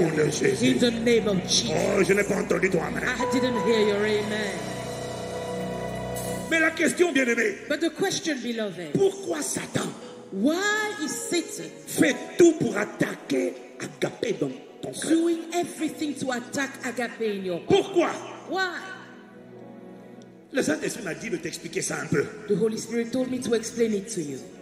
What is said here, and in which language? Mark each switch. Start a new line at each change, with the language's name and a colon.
French: au nom de Jésus,
English: in the name of Jesus.
French: Oh, je n'ai pas entendu ton amen.
English: I didn't hear your amen.
French: Mais la question, bien-aimé,
English: but the question, beloved,
French: pourquoi Satan,
English: why is Satan
French: fait tout pour attaquer agapé dans ton cœur,
English: doing everything to attack agapé in your heart?
French: Pourquoi?
English: Why?
French: Le Saint-Esprit m'a dit de t'expliquer ça un peu.
English: The Holy Spirit told me to explain it to you.